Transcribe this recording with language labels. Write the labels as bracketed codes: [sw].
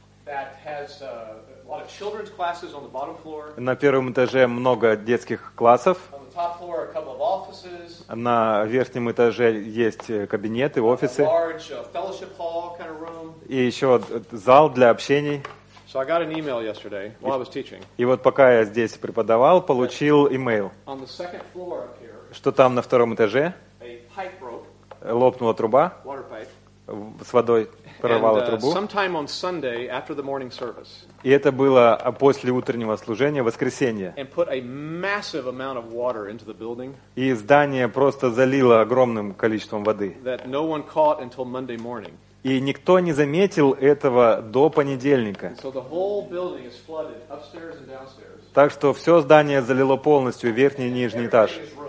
[en] That has a lot of children's classes on the bottom floor. [ru] На первом этаже много детских классов. [en] On the top floor are a couple of offices. [ru] На верхнем этаже есть кабинеты, офисы. [en] A large fellowship hall kind of room. [ru] И еще зал для общений. [en] So I got an email yesterday while I was teaching. [ru] И вот пока я здесь преподавал, получил email. [en] On the second floor up here. [ru] Что там на втором этаже? [en] A pipe broke. [ru] Лопнула труба. [en] Water pipe. [ru] С водой прорвало трубу. [en] Sometime on Sunday after the morning service. [ru] И это было после утреннего служения, воскресенье. [en] And put a massive amount of water into the building. [ru] И здание просто залило огромным количеством воды. [en] That no one caught until Monday morning. [ru] И никто не заметил этого до понедельника. [en] So the whole building is flooded upstairs and downstairs. [ru] Так что все здание залило полностью, верхний и нижний этаж.